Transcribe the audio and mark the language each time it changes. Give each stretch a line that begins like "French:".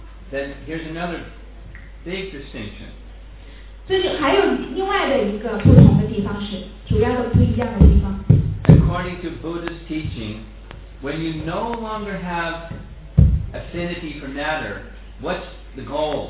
English: Then here's another big distinction.
Chinese: 这就还有另外的一个不同的地方是主要的不一样的地方。
English: According to Buddha's teaching, when you no longer have affinity for matter, what's the goal?